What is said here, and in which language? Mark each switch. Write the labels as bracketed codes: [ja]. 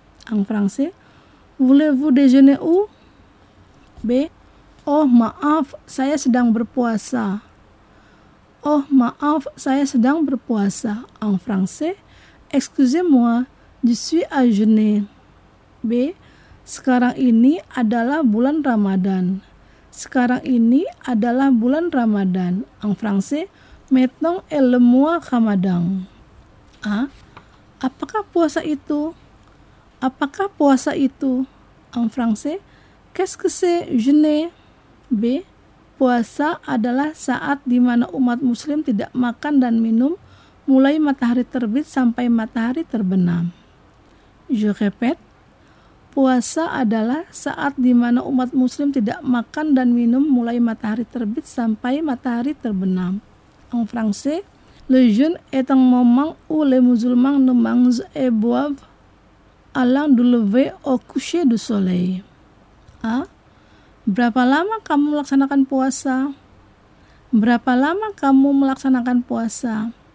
[fr] En français, voulez-vous déjeuner où? B. [id] Oh, maaf, saya sedang berpuasa. Oh, maaf, saya sedang berpuasa. [fr] En français, excusez-moi, je suis à jeûner. B. [id] Sekarang ini adalah bulan Ramadan. Sekarang ini adalah bulan Ramadan. [fr] En français, maintenant est le mois Ramadan. A. [id] Apakah puasa itu? Apakah puasa itu? [fr] En français, qu'est-ce que c'est jeûner? B. [id] Puasa adalah saat di mana umat muslim tidak makan dan minum mulai matahari terbit sampai matahari terbenam. [fr] Je répète. [id] Puasa adalah saat di mana umat muslim tidak makan dan minum mulai matahari terbit sampai matahari terbenam. [fr] En français, le jeûne est un moment où les musulmans ne mangent et boivent allant du lever au coucher du soleil. A. [id] Berapa lama kamu melaksanakan puasa? Berapa lama kamu melaksanakan puasa?